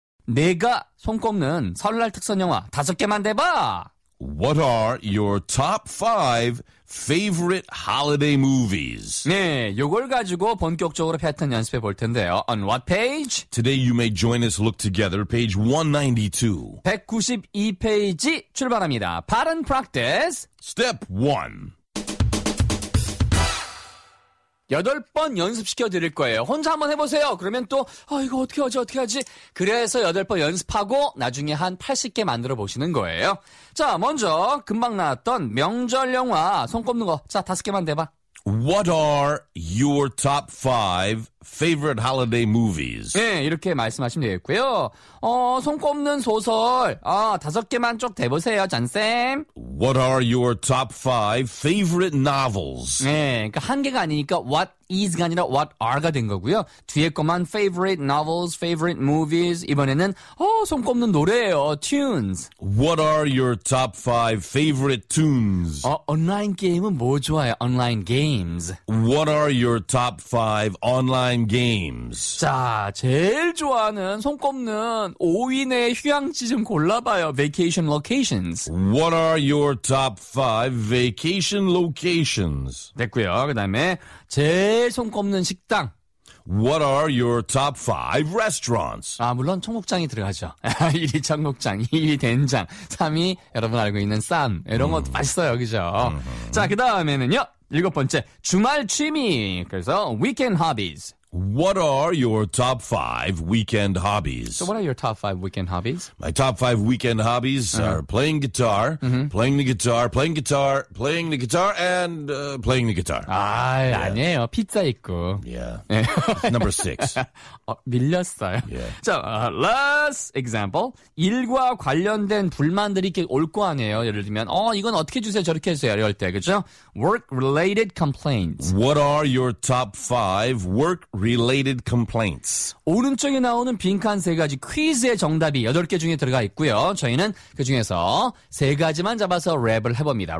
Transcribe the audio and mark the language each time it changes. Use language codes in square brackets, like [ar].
[ko] 내가 손꼽는 설날 특선 영화 다섯 개만 대봐. [en] What are your top five favorite holiday movies? [ko] 네, 이걸 가지고 본격적으로 패턴 연습해 볼 텐데요. [en] On what page? Today you may join us look together page 192. [ko] 192페이지 출발합니다. 발음 practice. [en] Step 1. [ko] 여덟 번 연습시켜 드릴 거예요. 혼자 한번 해보세요. 그러면 또 이거 어떻게 하지 어떻게 하지? 그래서 여덟 번 연습하고 나중에 한 80개 만들어 보시는 거예요. 자, 먼저 금방 나왔던 명절 영화 손꼽는 거. 자, 다섯 개만 대봐. [en] What are your top five favorite holiday movies? [ko] 네, 이렇게 말씀하시면 되겠고요. 손꼽는 소설. 다섯 개만 쭉 대보세요, 잔쌤. [en] What are your top five favorite novels? [ko] 네, 그러니까 한 개가 아니니까 [en] what is [ko] 가 아니라 [en] what are [ko] 가 된 거고요. [en] 뒤에 것만 favorite novels, favorite movies. [ko] 이번에는 손꼽는 노래예요, tunes. [en] What are your top five favorite tunes? [ko] 온라인 게임은 뭐 좋아해요? [en] Online games. What are your top five online games? [ko] 자, 제일 좋아하는 손꼽는 5인의 휴양지 좀 골라봐요. [en] Vacation locations. What are your top five vacation locations? [ko] 됐고요. 그 다음에 제일 손꼽는 식당. [en] What are your top five restaurants? [ko] 아, 물론 청국장이 들어가죠. 1위 청국장, 2위 된장, 3위 여러분 알고 있는 쌈. 이런 것도 맛있어요, 그죠? 자, 그 다음에는요. 일곱 번째, 주말 취미. [en] 그래서 weekend hobbies. What are your top five weekend hobbies? So what are your top five weekend hobbies? My top five weekend hobbies are playing guitar, playing the guitar, playing guitar, playing the guitar, and playing the guitar. [ko] 아, yes. 아니에요. 피자 있고. [en] Yeah. Number six. [ko] 밀렸어요. [en] Yeah. 자, last example. [ko] 일과 관련된 불만들이 이렇게 올 거 아니에요. 예를 들면, 이건 어떻게 주세요, 저렇게 해주세요. 이럴 때, 그죠? [en] Work-related complaints. What are your top five work related complaints. [ko] 오른쪽에 나오는 빈칸 세 가지 퀴즈의 정답이 여덟 개 중에 들어가 있고요. 저희는 그 중에서 세 가지만 잡아서 랩을 해봅니다.